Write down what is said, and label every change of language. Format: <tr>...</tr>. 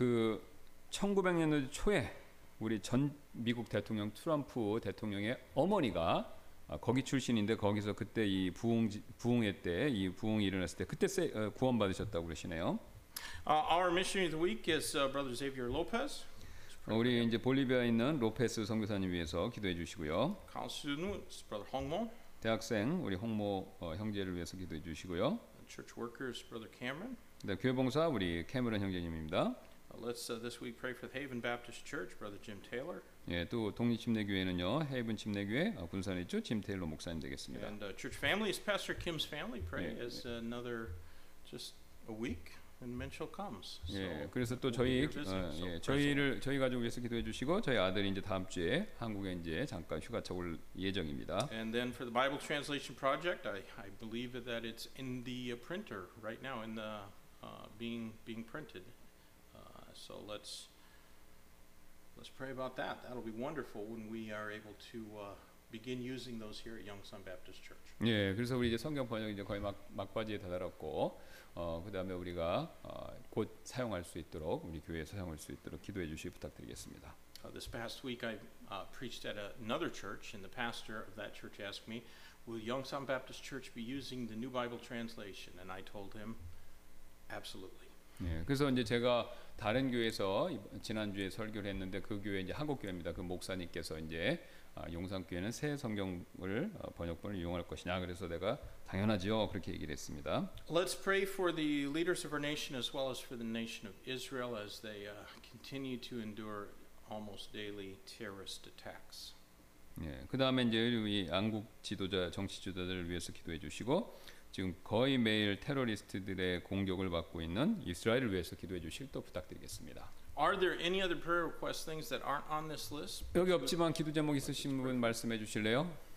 <ko>예, 그 1900년대 초에 우리 전 미국 대통령 트럼프 대통령의 어머니가 거기 출신인데 거기서 그때 이 부흥회 때 이 부흥이 일어났을 때 그때 구원 받으셨다고 그러시네요.</ko> <en>Our missionary of the week is Brother Xavier Lopez.</en> <ko>우리 이제 볼리비아에 있는 로페스 선교사님 위해서 기도해 주시고요.</ko> <en>Brother Hongmo.</en> <ko>대학생 우리 홍모 형제를 위해서 기도해 주시고요.</ko> <en>Church workers, Brother Cameron.</en> <ko>네, 교회 봉사 우리 캐머런 형제님입니다.</ko> <en>Let's this week pray for the Haven Baptist Church, Brother Jim Taylor.</en> <ko>예, 또 독립 침례 교회는요, 헤이븐 침례 교회 군산에 있죠, 짐 테일러 목사님 되겠습니다.</ko> <en>And church family is Pastor Kim's family. Pray 예, as another just a week and Minchel comes. So</en> <ko>예, 그래서 또 저희 예, 저희를 저희 가족 위해서 기도해 주시고 저희 아들이 이제 다음 주에 한국에 이제 잠깐 휴가차 올 예정입니다.</ko> <en>And then for the Bible translation project, I believe that it's in the printer right now in the being printed. So let's pray about that. That'll be wonderful when we are able to begin using those here at Youngsun Baptist Church.</en> <ko>예, 그래서 우리 이제 성경 번역 이제 거의 막바지에 다다랐고 그다음에 우리가 곧 사용할 수 있도록 우리 교회에 사용할 수 있도록 기도해 주시기 부탁드리겠습니다.</ko> <en>This past week I preached at another church and the pastor of that church asked me, "Will Youngsun Baptist Church be using the New Bible Translation?" And I told him Absolutely.</en> <ko>네, 그래서 이제 제가 다른 교회에서 지난 주에 설교를 했는데 그 교회 이제 한국 교회입니다. 그 목사님께서 이제 용산교회는 새 성경을 번역본을 이용할 것이냐 그래서 내가 당연하지요 그렇게 얘기를 했습니다.</ko> <en>Let's pray for the leaders of our nation as well as for the nation of Israel as they continue to endure almost daily terrorist attacks.</en> <ko>예, 그다음에 이제 우리 양국 지도자 정치 지도자들을 위해서 기도해 주시고 지금 거의 매일 테러리스트들의 공격을 받고 있는 이스라엘을 위해서 기도해 주실 또 부탁드리겠습니다.</ko> <en>Are there any other prayer request things that aren't on this list?</en> <ko>여기 없지만 기도 제목 있으신 분 말씀해 주실래요?</ko>